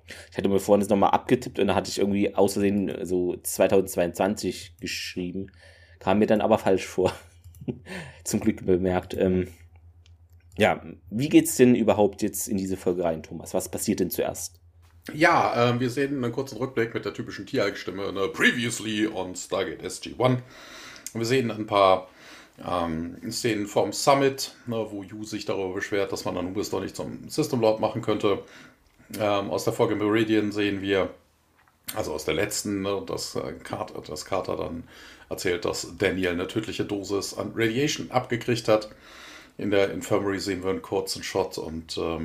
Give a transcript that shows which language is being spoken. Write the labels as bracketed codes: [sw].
[de] Ich hatte mir vorhin das nochmal abgetippt und da hatte ich irgendwie außersehen so 2022 geschrieben, kam mir dann aber falsch vor. Zum Glück bemerkt. Ja, wie geht's denn überhaupt jetzt in diese Folge rein, Thomas? Was passiert denn zuerst? Ja, wir sehen einen kurzen Rückblick mit der typischen TIA-Stimme, ne? [en] Previously on Stargate SG-1. [de] Wir sehen ein paar Szenen vom Summit, ne, wo Yu sich darüber beschwert, dass man dann Anubis doch nicht zum System Lord machen könnte. Aus der Folge Meridian sehen wir, also aus der letzten, ne, dass Carter dann erzählt, dass Daniel eine tödliche Dosis an Radiation abgekriegt hat. In der Infirmary sehen wir einen kurzen Shot und